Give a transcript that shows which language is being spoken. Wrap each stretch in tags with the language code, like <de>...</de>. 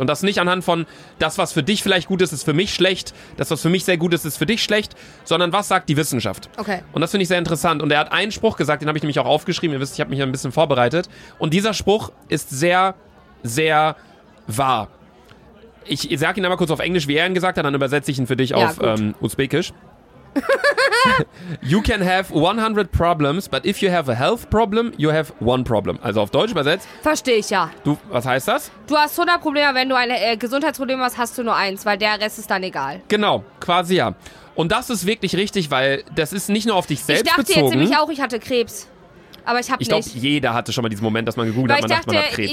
<de>Und das nicht anhand von, das, was für dich vielleicht gut ist, ist für mich schlecht, das, was für mich sehr gut ist, ist für dich schlecht, sondern was sagt die Wissenschaft. Okay. Und das finde ich sehr interessant. Und er hat einen Spruch gesagt, den habe ich nämlich auch aufgeschrieben, ihr wisst, ich habe mich ja ein bisschen vorbereitet. Und dieser Spruch ist sehr, sehr wahr. Ich sage ihn einmal kurz auf Englisch, wie er ihn gesagt hat, dann übersetze ich ihn für dich auf Usbekisch.</de> <en>You can have 100 problems, but if you have a health problem, you have one problem.</en> <de>Also auf Deutsch übersetzt. Verstehe ich, ja. Du, was heißt das? Du hast 100 Probleme, wenn du ein Gesundheitsproblem hast, hast du nur eins, weil der Rest ist dann egal. Genau, quasi ja. Und das ist wirklich richtig, weil das ist nicht nur auf dich selbst bezogen. Ich dachte jetzt nämlich auch, ich hatte Krebs. Aber ich habe nicht. Ich glaube, jeder hatte schon mal diesen Moment, dass man gegoogelt hat, man dachte, man hat Krebs.</de>